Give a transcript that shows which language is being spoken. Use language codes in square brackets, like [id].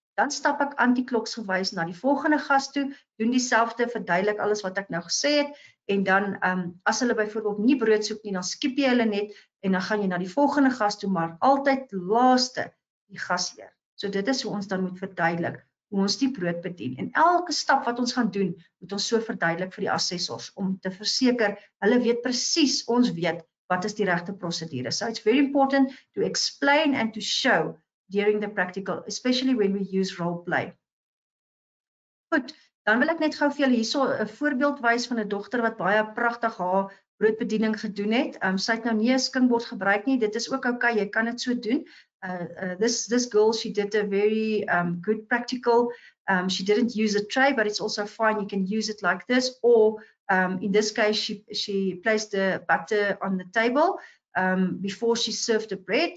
[af] Dan stap ek anti-kloksgewys na die volgende gas toe, doen dieselfde, verduidelik alles wat ek nou gesê het en dan as hulle byvoorbeeld nie brood soek nie, dan skiep jy hulle net en dan gaan jy na die volgende gas toe, maar altyd laaste die gasheer. So dit is hoe ons dan moet verduidelik hoe ons die brood bedien. En elke stap wat ons gaan doen, moet ons so verduidelik vir die assessors om te verseker hulle weet presies, ons weet wat is die regte prosedure. [en] So it's very important to explain and to show during the practical, especially when we use role play. [af] Goed, dan wil ek net gou vir julle hierso 'n voorbeeld wys van 'n dogter wat baie pragtig haar broodbediening gedoen het. Sy het nou nie 'n skinkbord gebruik nie. Dit is ook okay, jy kan dit so doen. [en] This girl, she did a very good practical. She didn't use a tray, but it's also fine. You can use it like this, or in this case, she placed the butter on the table before she served the bread.